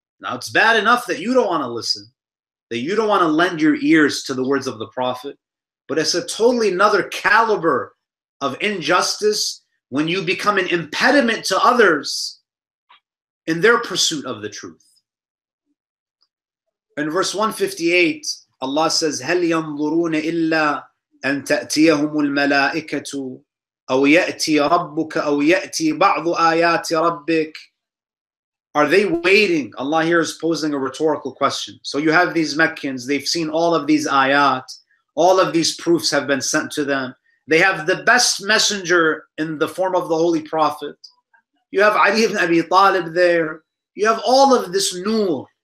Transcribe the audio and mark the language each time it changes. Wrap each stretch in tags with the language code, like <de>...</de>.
<en>Now, it's bad enough that you don't want to listen, that you don't want to lend your ears to the words of the Prophet. But it's a totally another caliber of injustice when you become an impediment to others in their pursuit of the truth. In verse 158, Allah says,</en> <ar>هَلْ يَنْظُرُونَ إِلَّا أَن تَأْتِيَهُمُ الْمَلَائِكَةُ أَوْ يَأْتِي رَبُّكَ أَوْ يَأْتِي بَعْضُ آيَاتِ رَبِّكَ.</ar> <en>Are they waiting? Allah here is posing a rhetorical question. So you have these Meccans, they've seen all of these ayat, all of these proofs have been sent to them. They have the best messenger in the form of the Holy Prophet. You have Ali ibn Abi Talib there. You have all of this nur.</en>